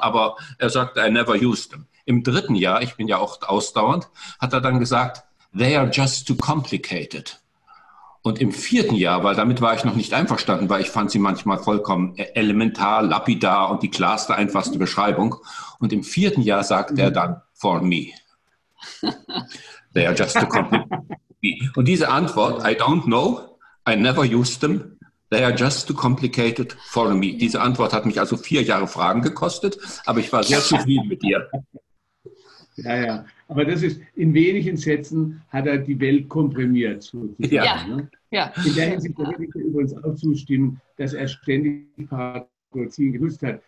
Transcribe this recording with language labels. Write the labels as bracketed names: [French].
[German] Aber er sagte, [English] I never use them. [German] Im dritten Jahr, ich bin ja auch ausdauernd, hat er dann gesagt, [English] they are just too complicated. [German] Und im vierten Jahr, weil damit war ich noch nicht einverstanden, weil ich fand sie manchmal vollkommen elementar, lapidar und die klarste, einfachste Beschreibung. Und im vierten Jahr sagte er dann, [English] for me, they are just too complicated. [German] Und diese Antwort, [English] I don't know, I never used them, they are just too complicated for me. [German] Diese Antwort hat mich also 4 Jahre Fragen gekostet, aber ich war sehr zufrieden mit dir. Ja, ja, aber das ist, in wenigen Sätzen hat er die Welt komprimiert. Sozusagen, ja. Ne? Ja. In der Hinsicht würde ich übrigens auch zustimmen, dass er ständig Paradoxien genutzt hat.